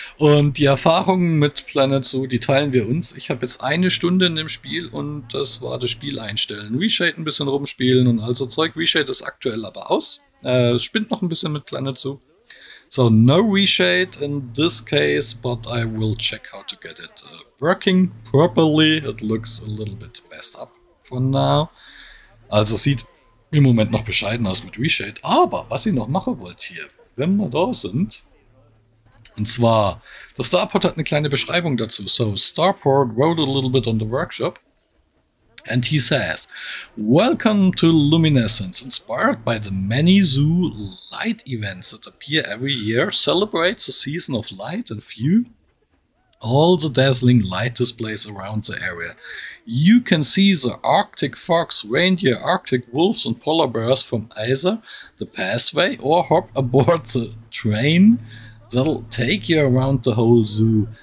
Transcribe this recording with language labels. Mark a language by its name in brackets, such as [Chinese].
[German] Und die Erfahrungen mit Planet Zoo, die teilen wir uns. Ich habe jetzt eine Stunde in dem Spiel und das war das Spiel einstellen. Reshade ein bisschen rumspielen und also Zeug. Reshade ist aktuell aber aus. Es spinnt noch ein bisschen mit Planet Zoo. [English] So, no Reshade in this case, but I will check how to get it working properly. It looks a little bit messed up for now. [German] Also sieht im Moment noch bescheiden aus mit Reshade. Aber was ihr noch machen wollt hier, wenn wir da sind. Und zwar, der Starport hat eine kleine Beschreibung dazu. [English] So, Starport wrote a little bit on the workshop. And he says, welcome to Luminescence. Inspired by the many zoo light events that appear every year, celebrates the season of light and few. All the dazzling light displays around the area. You can see the Arctic fox, reindeer, Arctic wolves and polar bears from either the pathway or hop aboard the train that'll take you around the whole zoo.